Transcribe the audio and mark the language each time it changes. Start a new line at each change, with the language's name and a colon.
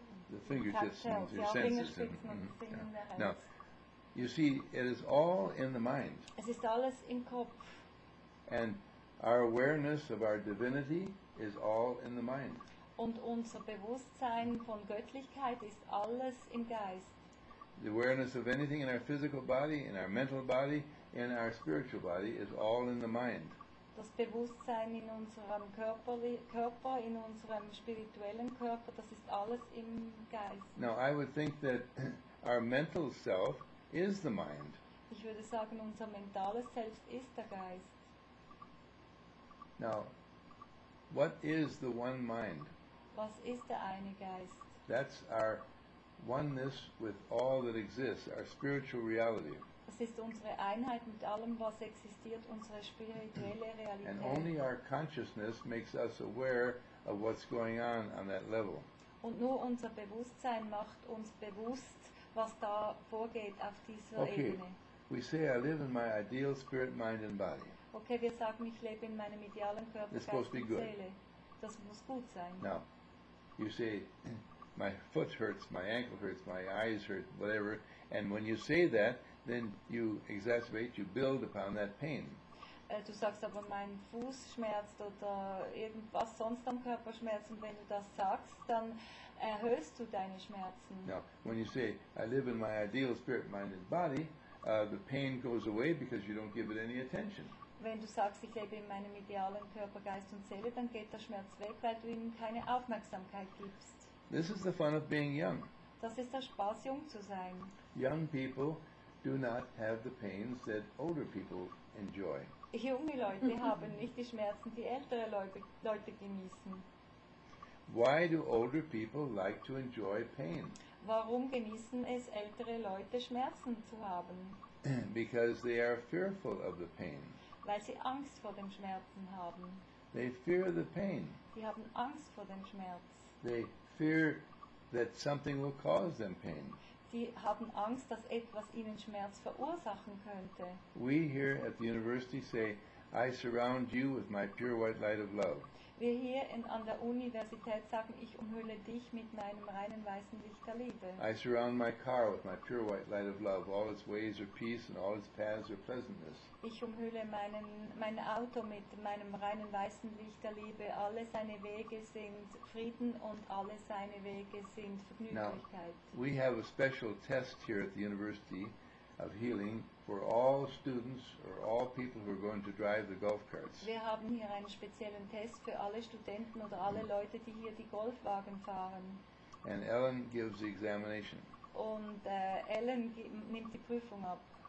English: the fingertips and your senses. Mm-hmm. Now, you see, it is all in the mind.
German: Es ist alles im Kopf.
English: And our awareness of our divinity is all in the mind.
German: Und unser Bewusstsein von Göttlichkeit ist alles im Geist.
English: The awareness of anything in our physical body, in our mental body, in our spiritual body is all in the mind.
German: Das Bewusstsein in unserem Körper, in unserem spirituellen Körper, das ist alles im Geist.
English: Now, I would think that our mental self is the mind.
German: Ich würde sagen, unser mentales Selbst ist der Geist.
English: Now, what is the one mind?
German: Was ist der eine Geist?
English: That's our oneness with all that exists, our spiritual reality.
German: Das ist unsere Einheit mit allem, was existiert, unsere spirituelle Realität.
English: And only our consciousness makes us aware of what's going on that level.
German: Und nur unser Bewusstsein macht uns bewusst, was da vorgeht auf dieser
English: okay.
German: Ebene.
English: We say I live in my ideal spirit, mind and body.
German: Okay, wir sagen, ich lebe in meinem idealen Körper,
English: it's
German: Geist und
English: good.
German: Seele. Das muss gut sein.
English: Now, you say, my foot hurts, my ankle hurts, my eyes hurt, whatever. And when you say that, then you exacerbate, you build upon that pain.
German: Du sagst aber, mein Fuß schmerzt oder irgendwas sonst am Körper schmerzt, und wenn du das sagst, dann erhöhst du deine Schmerzen.
English: Now, when you say, I live in my ideal spirit, mind and body, the pain goes away because you don't give it any attention.
German: Wenn du sagst, ich lebe in meinem idealen Körper, Geist und Seele, dann geht der Schmerz weg, weil du ihm keine Aufmerksamkeit gibst.
English: This is the fun of being young.
German: Das ist der Spaß, jung zu sein.
English: Young people do not have the pains that older people enjoy.
German: Junge Leute haben nicht die Schmerzen, die ältere Leute genießen.
English: Why do older people like to enjoy pain?
German: Warum genießen es ältere Leute, Schmerzen zu haben?
English: Because they are fearful of the pain.
German: Weil sie Angst vor dem Schmerzen haben.
English: They fear the pain.
German: Sie haben Angst vor dem Schmerz.
English: They fear that something will cause them pain.
German: Sie haben Angst, dass etwas ihnen Schmerz verursachen könnte.
English: We here at the university say, I surround you with my pure white light of love.
German: Wir hier an der Universität sagen, ich umhülle dich mit meinem reinen weißen Licht der Liebe.
English: I surround my car with my pure white light of love. All its ways are peace and all its paths are pleasantness.
German: Ich umhülle mein Auto mit meinem reinen weißen Licht der Liebe. Alle seine Wege sind Frieden und alle seine Wege sind Vergnüglichkeit.
English: Now, we have a special test here at the University of Healing for all students or all people who are going to drive the golf carts.
German: Wir haben hier einen speziellen Test für alle Studenten oder alle Leute, die hier die Golfwagen fahren.
English: And Ellen gives the examination.
German: Und Ellen nimmt die Prüfung ab.